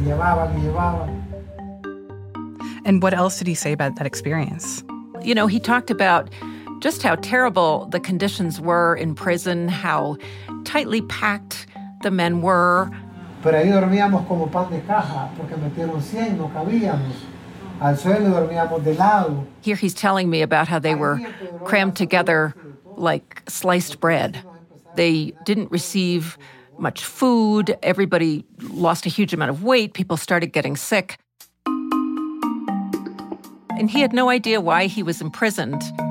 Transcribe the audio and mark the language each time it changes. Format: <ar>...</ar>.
<en>And what else did he say about that experience? You know, he talked about just how terrible the conditions were in prison, how tightly packed the men were.</en> <es>Pero ahí dormíamos como pan de caja, porque metieron 100, no cabíamos. Al suelo dormíamos de lado.</es> <en>Here he's telling me about how they were crammed together like sliced bread. They didn't receive much food. Everybody lost a huge amount of weight. People started getting sick. And he had no idea why he was imprisoned.</en>